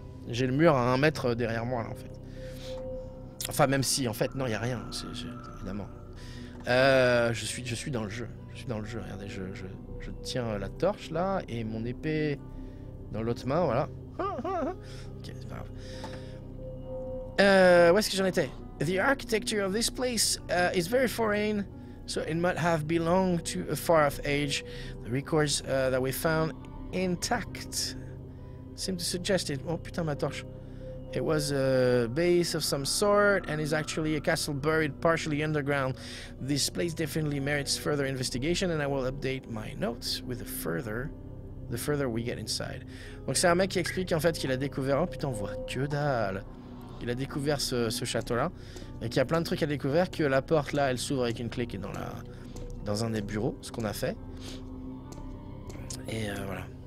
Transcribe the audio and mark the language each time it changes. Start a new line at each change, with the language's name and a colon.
French: J'ai le mur à 1 mètre derrière moi là en fait. Enfin, même si en fait, non, y a rien, évidemment. Je suis dans le jeu, regardez, je tiens la torche là, et mon épée dans l'autre main, voilà. Ok, c'est pas grave. Où est-ce que j'en étais?
English: The architecture of this place is very foreign, so it might have belonged to a far off age. The records that we found intact seem to suggest it.
French: Oh putain, ma torche.
English: It was a base of some sort and is actually a castle buried partially underground. This place definitely merits further investigation and I will update my notes with the further we get inside.
French: Donc c'est un mec qui explique en fait qu'il a découvert. Oh putain, voit que dalle. Il a découvert ce château-là, et qu'il y a plein de trucs à découvrir, que la porte, là, elle s'ouvre avec une clé qui est dans un des bureaux, ce qu'on a fait. Et voilà.